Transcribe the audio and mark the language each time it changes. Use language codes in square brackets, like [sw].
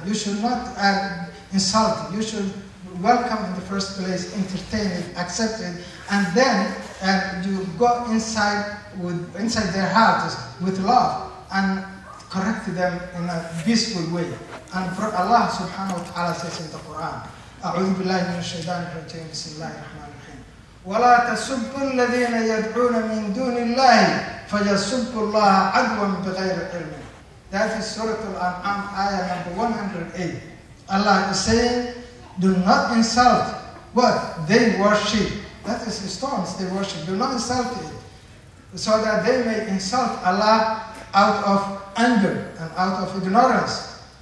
[en] You should not insult them. You should welcome in the first place, entertain it, accept it, and then you go inside inside their hearts with love and correct them in a peaceful way. And Allah subhanahu wa ta'ala says in the Quran, [ar] أعوذ بالله من الشيطان الرجيم بسم الله الرحمن الرحيم. ولا تسبوا الذين يدعون من دون الله فيسبوا الله عدوا بغير علم. [en] That is Surah Al-An'am, ayah number 108. Allah is saying, do not insult what they worship. That is the stones they worship. Do not insult it. So that they may insult Allah out of anger and out of ignorance.